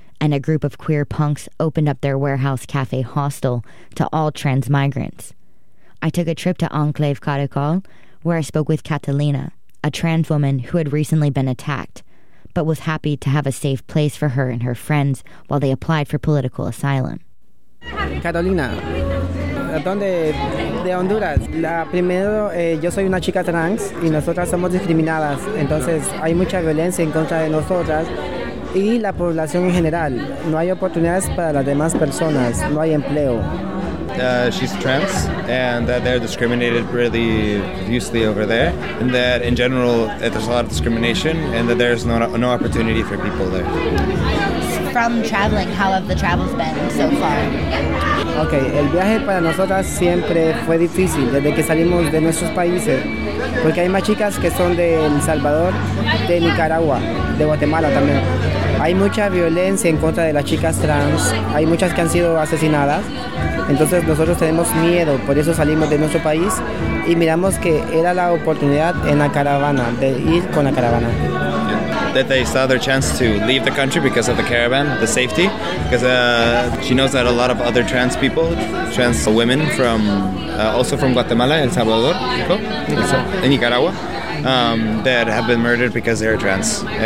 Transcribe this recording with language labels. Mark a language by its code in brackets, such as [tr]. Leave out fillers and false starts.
[en] And a group of queer punks opened up their warehouse cafe hostel to all trans migrants. I took a trip to Enclave Caracol, where I spoke with Catalina, a trans woman who had recently been attacked, but was happy to have a safe place for her and her friends while they applied for political asylum. [es] Catalina, ¿dónde? De Honduras. La primero, yo soy una chica trans y nosotras somos discriminadas, entonces hay mucha violencia en contra de nosotras. Y la población en general, no hay oportunidades para las demás personas, no hay empleo. [en] She's trans, and that they're discriminated really viciously over there, and that in general there's a lot of discrimination, and that there's no opportunity for people there. From traveling, how have the travels been so far? [es] Okay, el viaje para nosotras siempre fue difícil desde que salimos de nuestros países, porque hay más chicas que son de El Salvador, de Nicaragua, de Guatemala también. Hay mucha violencia en contra de las chicas trans, hay muchas que han sido asesinadas, entonces nosotros tenemos miedo, por eso salimos de nuestro país y miramos que era la oportunidad en la caravana, de ir con la caravana. [en] That they saw their chance to leave the country because of the caravan, the safety, because she knows that a lot of other trans people, trans women from, also from Guatemala, El Salvador, in Nicaragua, that have been murdered because they are trans.